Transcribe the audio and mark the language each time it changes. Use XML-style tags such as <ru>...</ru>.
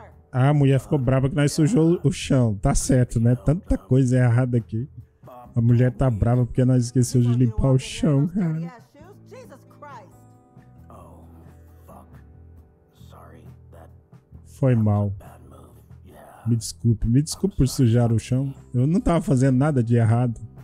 <pt>A mulher ficou brava que nós sujou o chão. Tá certo, né? Tanta coisa errada aqui. A mulher tá brava porque nós esqueceu de limpar o chão, cara.</pt> <en>Jesus Christ. Oh, fuck. Sorry, that</en> <pt>Foi mal. Me desculpe por sujar o chão. Eu não tava fazendo nada de errado.</pt>